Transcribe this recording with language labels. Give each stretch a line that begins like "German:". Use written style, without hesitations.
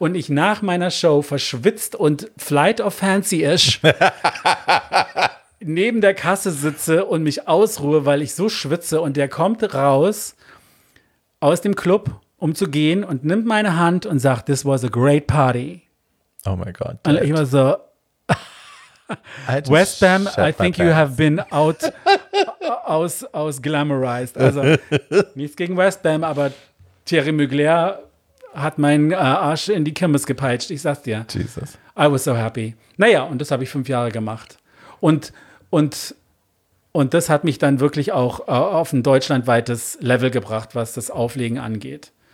German: Und ich nach meiner Show verschwitzt und flight of fancy-ish neben der Kasse sitze und mich ausruhe, weil ich so schwitze. Und der kommt raus aus dem Club, um zu gehen und nimmt meine Hand und sagt,
English: this was a great party.
German: Oh mein Gott. Und ich war so,
English: West Ham, I think you have been out, aus glamorized.
German: Also nichts gegen West Ham, aber Thierry Mugler hat meinen Arsch in die Kirmes gepeitscht. Ich sag's dir. Jesus.
English: I was so happy.
German: Naja, und das habe ich 5 Jahre gemacht. Und das hat mich dann wirklich auch auf ein deutschlandweites Level gebracht, was das Auflegen angeht.